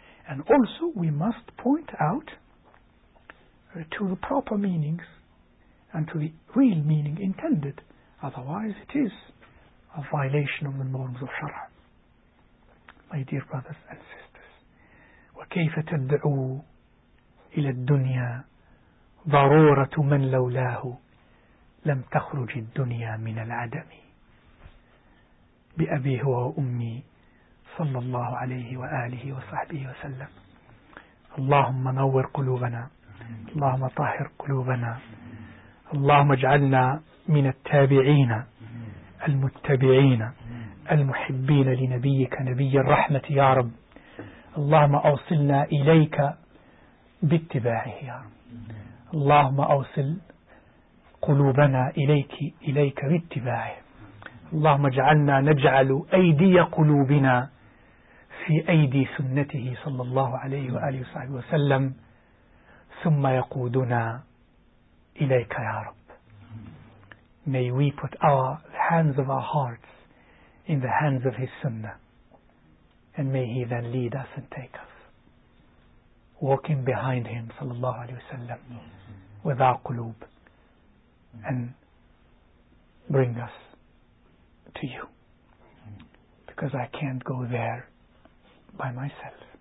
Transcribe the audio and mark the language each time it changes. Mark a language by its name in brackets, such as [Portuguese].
[English] And also we must point out to the proper meanings and to the real meaning intended, otherwise it is a violation of the norms of shara, my dear brothers and sisters. [Arabic] كيف تدعو إلى الدنيا ضرورة من لولاه لم تخرج الدنيا من العدم. بأبيه وأمي صلى الله عليه وآله وصحبه وسلم. اللهم نور قلوبنا، اللهم طهر قلوبنا، اللهم اجعلنا من التابعين المتبعين المحبين لنبيك نبي الرحمة يا رب. اللهم أوصلنا إليك باتباعه يا رب. اللهم أوصل قلوبنا إليك باتباعه. اللهم اجعلنا نجعل أيدي قلوبنا في أيدي سنته صلى الله عليه وآله وصحبه وسلم، ثم يقودنا إليك يا رب. [English] May we put our hands of our hearts in the hands of his sunnah, and may he then lead us and take us, walking behind him [Arabic] صلى الله عليه وسلم [English] with our قلوب, and bring us to you, because I can't go there by myself.